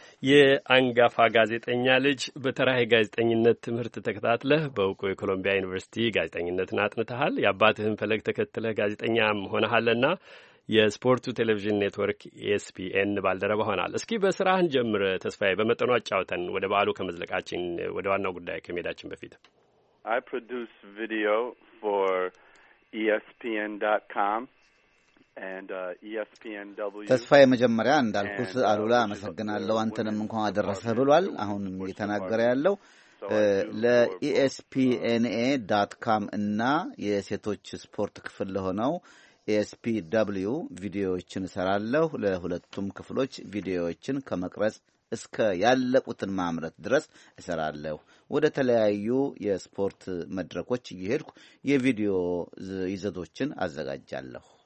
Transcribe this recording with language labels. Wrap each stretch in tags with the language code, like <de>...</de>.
<am>የአንጋፋ ጋዜጠኛ ልጅ፣ በተራህ ጋዜጠኝነት ትምህርት ተከታትለህ በእውቁ የኮሎምቢያ ዩኒቨርሲቲ ጋዜጠኝነትን አጥንተሃል። የአባትህን ፈለግ ተከትለህ ጋዜጠኛም ሆነሃልና የስፖርቱ ቴሌቪዥን ኔትወርክ ኤስፒኤን ባልደረባ ሆናል። እስኪ በስራህን ጀምር ተስፋዬ፣ በመጠኑ አጫውተን ወደ በዓሉ ከመዝለቃችን ወደ ዋናው ጉዳይ ከመሄዳችን በፊት።</am> <en>I produce video for ESPN.com and ESPNW.</en> <am>ተስፋዬ መጀመሪያ እንዳልኩት አሉላ አመሰግናለሁ፣ አንተንም እንኳን አደረሰህ ብሏል። አሁንም እየተናገረ ያለው ለESPNA.com እና የሴቶች ስፖርት ክፍል ለሆነው ESPW ቪዲዮዎችን እሰራለሁ። ለሁለቱም ክፍሎች ቪዲዮዎችን ከመቅረጽ እስከ ያለቁትን ማምረት ድረስ እሰራለሁ። ወደ ተለያዩ የስፖርት መድረኮች እየሄድኩ የቪዲዮ ይዘቶችን አዘጋጃለሁ።</am>